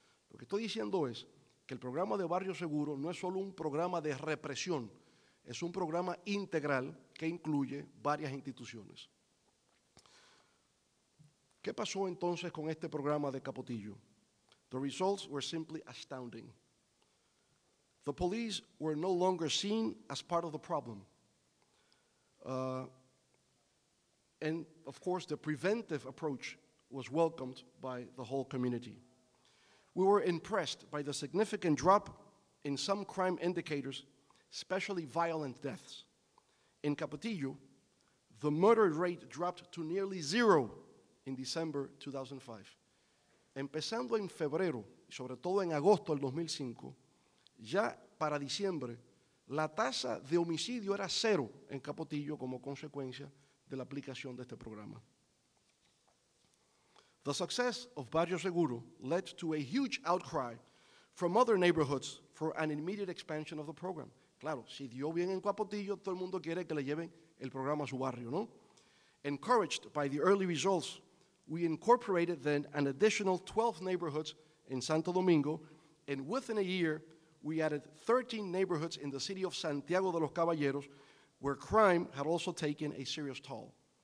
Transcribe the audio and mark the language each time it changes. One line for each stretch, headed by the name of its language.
Spanish: Lo que estoy diciendo es que el programa de Barrio Seguro no es solo un programa de represión, es un programa integral que incluye varias instituciones. ¿Qué pasó entonces con este programa de Capotillo?
English: The results were simply astounding. The police were no longer seen as part of the problem. And of course, the preventive approach was welcomed by the whole community. We were impressed by the significant drop in some crime indicators, especially violent deaths. In Capotillo, the murder rate dropped to nearly zero in December 2005.
Spanish: Empezando en febrero, sobre todo en agosto del 2005, ya para diciembre, la tasa de homicidio era cero en Capotillo como consecuencia de la aplicación de este programa.
English: The success of Barrio Seguro led to a huge outcry from other neighborhoods for an immediate expansion of the program.
Spanish: Claro, si dio bien en Capotillo, todo el mundo quiere que le lleven el programa a su barrio, ¿no?
English: Encouraged by the early results, we incorporated then an additional 12 neighborhoods in Santo Domingo, and within a year, we added 13 neighborhoods in the city of Santiago de los Caballeros, where crime had also taken a serious toll.